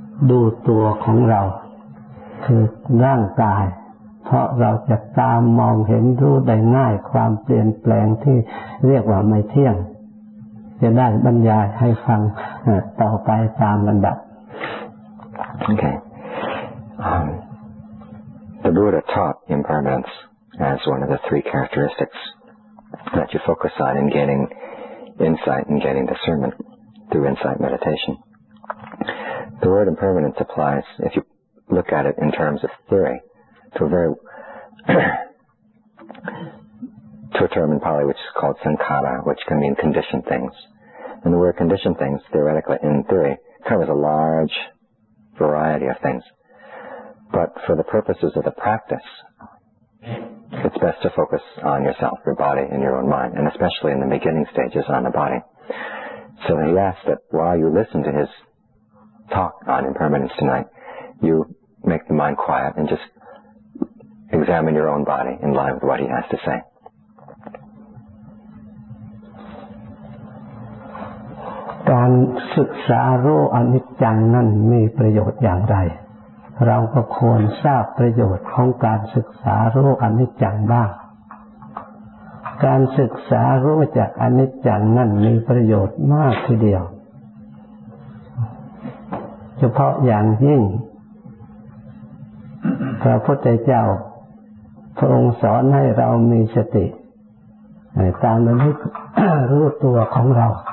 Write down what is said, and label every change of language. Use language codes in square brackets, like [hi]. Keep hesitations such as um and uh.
[th] ดูตัวของเรา คือร่างกาย เพราะเราจะตามมองเห็นรู้ได้ง่ายความเปลี่ยนแปลงที่เรียกว่าไม่เที่ยง จะได้บรรยายให้ฟังเอ่อต่อไปตามลำดับ [en] Okay. Um, the Buddha taught impermanence as one of the three characteristics that you focus on in gaining insight and gaining discernment through insight meditation. The word impermanence applies, if you look at it in terms of theory, to a very to a term in Pali which is called sankhara, which can mean conditioned things. And the word conditioned things, theoretically, in theory, covers a large variety of things. But for the purposes of the practice, it's best to focus on yourself, your body, and your own mind, and especially in the beginning stages on the body. So he asked that while you listen to his talk on impermanence tonight, you make the mind quiet and just examine your own body in line with what he has to say. [th] การศึกษารู้อนิจจังนั้นมีประโยชน์อย่างไร เราก็ควรทราบประโยชน์ของการศึกษารู้อนิจจังบ้าง การศึกษารู้จากอนิจจังนั้นมีประโยชน์มากทีเดียว เฉพาะอย่างยิ่ง พระพุทธเจ้า พระองค์สอนให้เรามีสติให้ตามระลึก รู้ตัวของเรา